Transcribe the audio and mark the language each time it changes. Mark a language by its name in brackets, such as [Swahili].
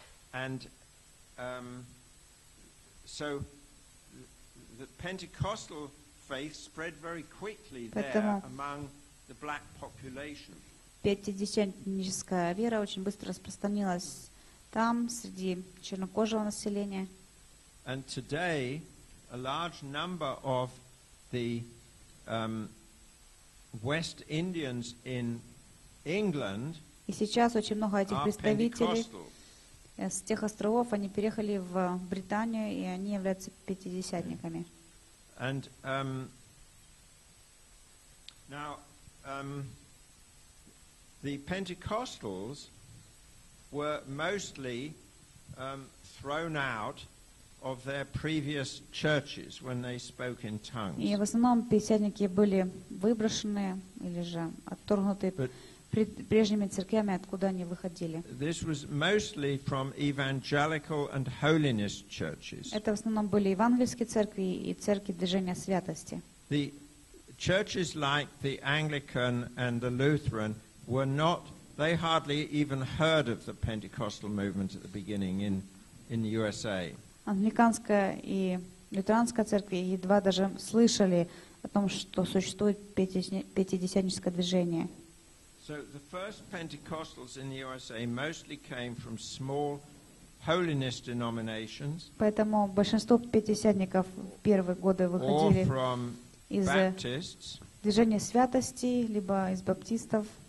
[English] And so the Pentecostal faith spread very quickly there among the black population. [Russian] Пятидесятническая вера очень быстро распространилась там среди чернокожего населения. [English] And today a large number of the West Indians in England. [Russian] И сейчас очень много этих представителей с тех островов, они переехали в Британию, и они являются пятидесятниками. [English] And now the Pentecostals were mostly thrown out of their previous churches when they spoke in tongues. [Russian] И в основном пятидесятники были выброшены или же отторгнуты прежними церквями, откуда они выходили. [English] This was mostly from evangelical and holiness churches. [Russian] Это в основном были евангельские церкви и церкви движения святости. [English] The churches like the Anglican and the Lutheran were not, they hardly even heard of the Pentecostal movement at the beginning in the USA. [Russian] Англиканская и лютеранская церкви едва даже слышали о том, что существует пятидесятническое движение. [English] So the first Pentecostals in the USA mostly came from small holiness denominations. [Russian] Поэтому большинство пятидесятников в первые годы выходили из движения святости либо из баптистов.